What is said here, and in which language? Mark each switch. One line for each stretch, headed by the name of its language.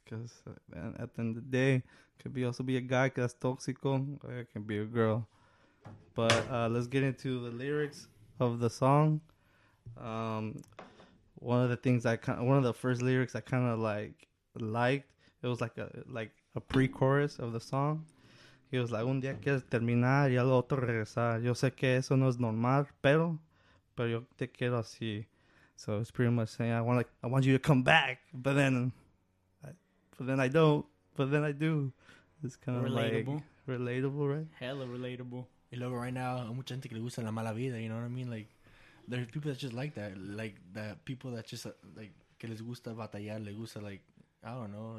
English: Because at the end of the day, could be also be a guy because that's toxico. Or it can be a girl. But let's get into the lyrics of the song. One of the things I kind of, one of the first lyrics I kind of like liked, it was like a pre-chorus of the song. He was like,
Spanish: un día quieres terminar y al otro regresar. Yo sé que eso no es normal, pero yo te quiero así.
English: So it's pretty much saying, I want you to come back, but then I do. It's kind of relatable, right? Hella relatable.
Spanish: Y luego
English: right now,
Spanish: mucha gente que le gusta la mala vida,
English: you know what I mean? Like, there's people that just like that. Like, that people that just, like,
Spanish: que les gusta batallar, les gusta,
English: like, I don't know.